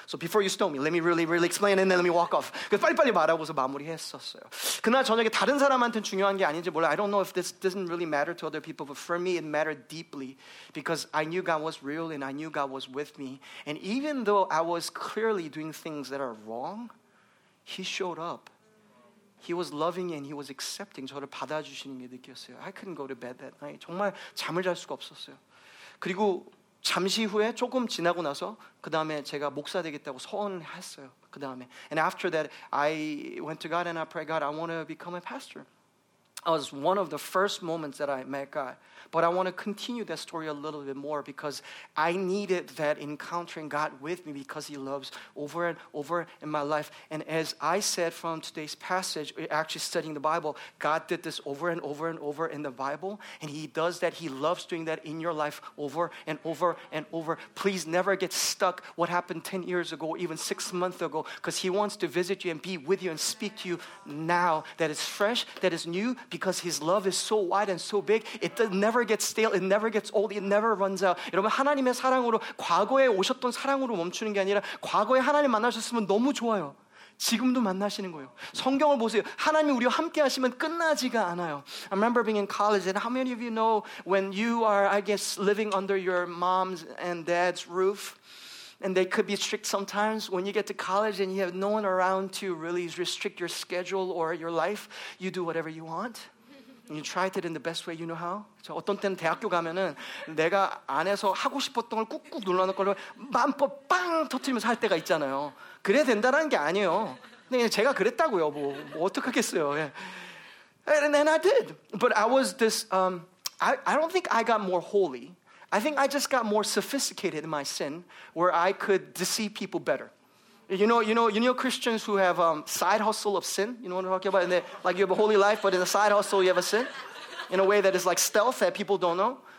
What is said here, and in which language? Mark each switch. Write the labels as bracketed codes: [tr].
[en] So before you stone me, let me really, really explain and then let me walk off. [ko] 그래서 빨리빨리 말하고서 마무리했었어요. 그날 저녁에 다른 사람한테 중요한 게 아닌지 몰라. [en] I don't know if this doesn't really matter to other people, but for me, it mattered deeply because I knew God was real and I knew God was with me. And even though I was clearly doing things that are wrong, He showed up. He was loving and he was accepting. [ko] 저를 받아주시는 게 느꼈어요. [en] I couldn't go to bed that night. [ko] 정말 잠을 잘 수가 없었어요. 그리고 잠시 후에 조금 지나고 나서 그 다음에 제가 목사 되겠다고 서원했어요. 그 다음에 [en] And after that, I went to God and I prayed, God, I want to become a pastor. It was one of the first moments that I met God. But I want to continue that story a little bit more because I needed that encountering God with me because He loves over and over in my life. And as I said from today's passage, actually studying the Bible, God did this over and over and over in the Bible. And He does that. He loves doing that in your life over and over and over. Please never get stuck what happened 10 years ago, even 6 months ago, because He wants to visit you and be with you and speak to you now that is fresh, that is new, because His love is so wide and so big. It never gets stale, it never gets old, it never runs out. [ko] 여러분 하나님의 사랑으로 과거에 오셨던 사랑으로 멈추는 게 아니라 과거에 하나님 만나셨으면 너무 좋아요. 지금도 만나시는 거예요. 성경을 보세요. 하나님이 우리와 함께 하시면 끝나지가 않아요. [en] I remember being in college and how many of you know when you are I guess living under your mom's and dad's roof and they could be strict sometimes when you get to college and you have no one around to really restrict your schedule or your life, you do whatever you want. You tried it in the best way you know how. [ko] 저 어떤 때는 대학교 가면은 내가 안에서 하고 싶었던 걸 꾹꾹 눌러놓고 마음껏 빵 터뜨리면서 할 때가 있잖아요. 그래 된다라는 게 아니에요. 근데 제가 그랬다고요. 뭐 어떡하겠어요. [en] And I did. But I was this, I don't think I got more holy. I think I just got more sophisticated in my sin where I could deceive people better. You know Christians who have side hustle of sin? You know what I'm talking about? And like you have a holy life, but in a side hustle you have a sin? In a way that is like stealth that people don't know?